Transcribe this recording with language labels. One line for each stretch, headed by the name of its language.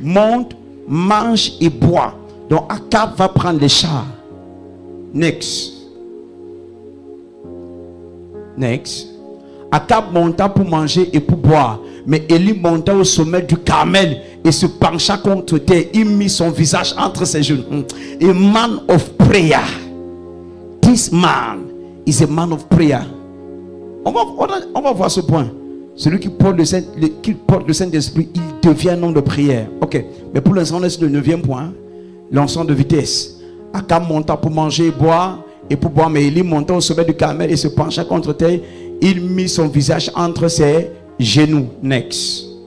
French: Monte, mange et bois. Donc Acab va prendre les chars. Next. Acab monta pour manger et pour boire. Mais Élie monta au sommet du Carmel et se pencha contre terre. Il mit son visage entre ses genoux.
English: A man of prayer. This man is a man of prayer.
French: On va voir ce point. Celui qui porte le Saint-Esprit, il devient un homme de prière. Ok. Mais pour l'instant, c'est le 9e point. L'ensemble de vitesse. Acab monta pour manger et boire. Et pour boire, mais Élie monta au sommet du Carmel et se pencha contre terre. Il mit son visage entre ses genoux. Next.